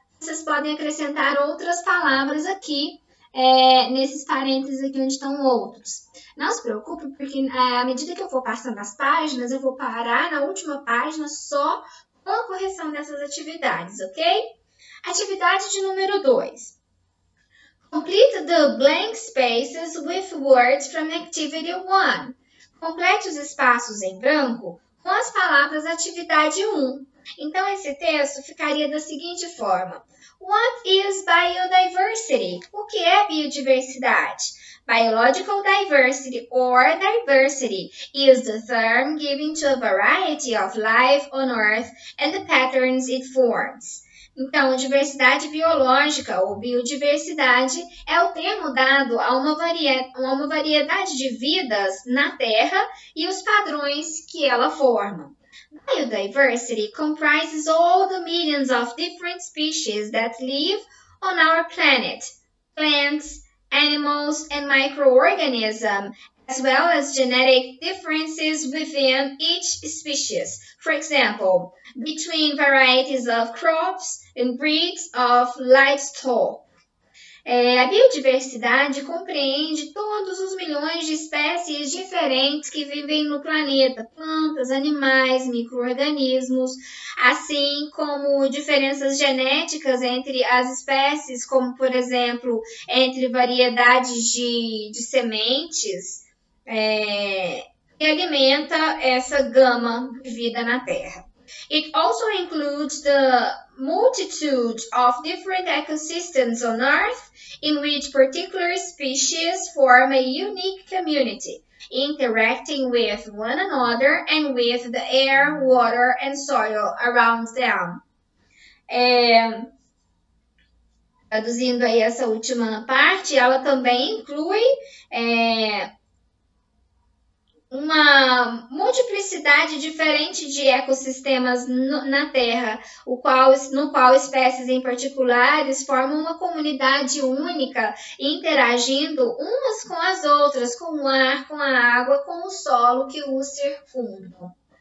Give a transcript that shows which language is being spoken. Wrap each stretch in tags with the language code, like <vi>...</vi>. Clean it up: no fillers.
<pt>Vocês podem acrescentar outras palavras aqui, nesses parênteses aqui onde estão outros. Não se preocupe, porque à medida que eu for passando as páginas, eu vou parar na última página só com a correção dessas atividades, ok? Atividade de número 2.</pt> <en>Complete the blank spaces with words from activity 1.</en> <pt>Complete os espaços em branco com as palavras da atividade 1. Então, esse texto ficaria da seguinte forma:</pt> <en>What is biodiversity?</en> <pt>O que é biodiversidade?</pt> <en>Biological diversity or diversity is the term given to a variety of life on Earth and the patterns it forms.</en> <pt>Então, diversidade biológica ou biodiversidade é o termo dado a uma variedade de vidas na Terra e os padrões que ela forma.</pt> <en>Biodiversity comprises all the millions of different species that live on our planet, plants, animals and microorganisms, as well as genetic differences within each species. For example, between varieties of crops and breeds of livestock.</en> <pt>A biodiversidade compreende todos os milhões de espécies diferentes que vivem no planeta, plantas, animais, micro-organismos, assim como diferenças genéticas entre as espécies, como, por exemplo, entre variedades de sementes. Que alimenta essa gama de vida na Terra.</pt> <en>It also includes the multitude of different ecosystems on Earth, in which particular species form a unique community, interacting with one another and with the air, water, and soil around them.</en> <pt>Traduzindo aí essa última parte, ela também inclui uma multiplicidade diferente de ecossistemas na Terra, no qual espécies em particulares formam uma comunidade única, interagindo umas com as outras, com o ar, com a água, com o solo que o circundam.</pt>